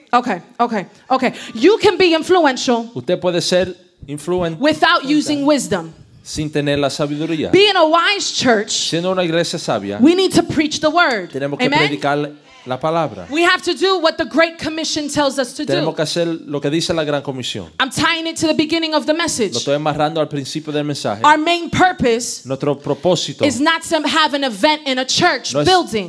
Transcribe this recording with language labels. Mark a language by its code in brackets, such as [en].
[en] Okay. You can be influential. [es] Usted puede ser [en] without using wisdom. [es] Sin tener la sabiduría. [en] Being a wise church. [es] Siendo una iglesia sabia. [en] We need to preach the word. [es] Tenemos que predicar la palabra. [en] We have to do what the Great Commission tells us to do. [es] Tenemos que hacer lo que dice la Gran Comisión. [en] I'm tying it to the beginning of the message. [es] Lo estoy amarrando al principio del mensaje. [en] Our main purpose. [es] Nuestro propósito. [en] Is not to have an event in a church building.